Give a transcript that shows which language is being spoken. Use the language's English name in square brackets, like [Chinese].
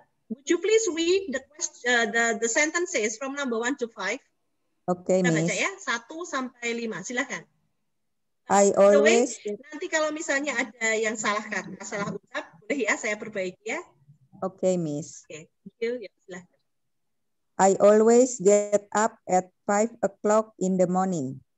[English] Would you please read the question, the sentences from number 1 to 5? Okay, [Indonesian] kita [English] Miss. [Indonesian] Baca ya, 1 sampai 5. Silakan. [English] I always. [Indonesian] Way, nanti kalau misalnya ada yang salah kata, salah ucap, boleh ya saya perbaiki ya. [English] Okay, Miss. Okay, thank you. [Indonesian] Ya, silakan. [English] I always get up at 5 o'clock in the morning.